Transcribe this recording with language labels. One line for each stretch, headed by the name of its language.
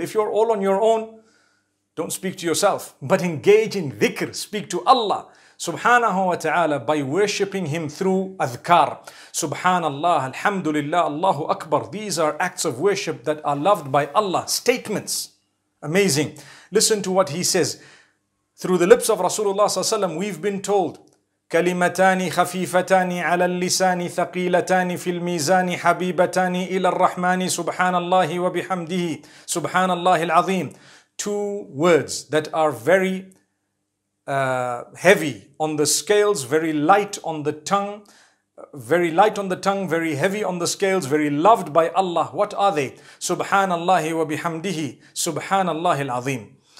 English: If you're all on your own, don't speak to yourself, but engage in dhikr, speak to Allah subhanahu wa ta'ala by worshipping Him through adhkar. Subhanallah, alhamdulillah, Allahu Akbar. These are acts of worship that are loved by Allah. Statements. Amazing. Listen to what he says. Through the lips of Rasulullah sallallahu alaihi wasallam, we've been told,
Arabic: كلمتان خفيفتان على اللسان ثقيلتان في الميزان حبيبتان إلى الرحمن سبحان الله وبحمده سبحان الله العظيم.
English: Two words that are very heavy on the scales, very light on the tongue, very light on the tongue, very heavy on the scales, very loved by Allah. What are they?
Arabic: Subhanallah wa bihamdihi, Subhanallah al-Azim.